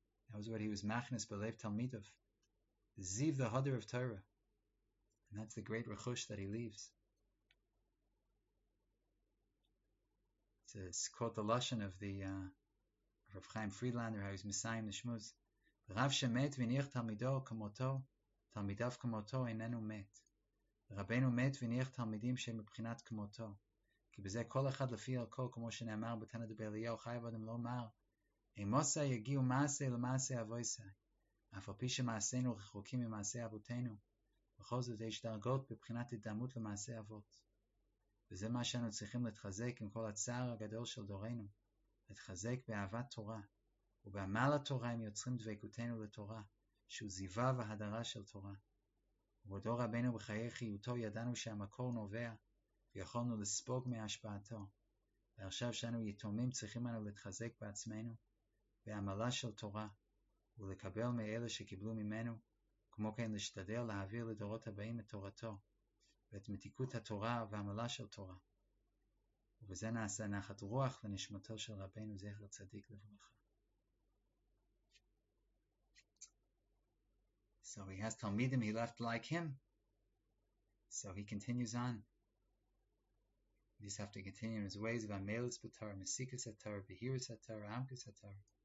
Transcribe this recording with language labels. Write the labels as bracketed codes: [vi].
[en] That was what he was [he] machnas belev talmidov. [en] The ziv, the hadar of Torah. And that's the great rechush that he leaves. It's a quote, the lashon of the Rav Chaim Friedlander, how he's mesayim the shmuz. [he] Rav shemet v'nich talmido kamoto, talmidav kamoto einenu met. רבנו מת וניח תלמידים שהם מבחינת כמותו. כי בזה כל אחד לפי ערכו, כמו שנאמר בתנא דבאליהו, חי ועוד הם לא מר. אמוסה יגיעו מעשה למעשה אבויסה. אף על פי שמעשינו רחוקים ממעשה אבותינו. בכל זאת יש דרגות בבחינת הדמות למעשה אבות. וזה מה שאנו צריכים להתחזק עם כל הצער הגדול של דורנו. להתחזק באהבת תורה. ובעמל התורה הם יוצרים דבקותנו לתורה, שהוא זיווה והדרה של תורה. ובודו רבנו בחיי חיותו ידענו שהמקור נובע ויכולנו לספוג מהשפעתו. ועכשיו שאנו יתומים צריכים אנו להתחזק בעצמנו בעמלה של תורה ולקבל מאלה שקיבלו ממנו, כמו כן להשתדל להעביר לדורות הבאים את תורתו ואת מתיקות התורה ועמלה של תורה. ובזה נעשה נחת רוח לנשמתו של רבנו זכר צדיק לברכה. [en] So he has Talmidim, he left like him. So he continues on. We just have to continue in his ways of Amelus Batar, Mesikas Atar, Behirus Atar, Amkus Atar.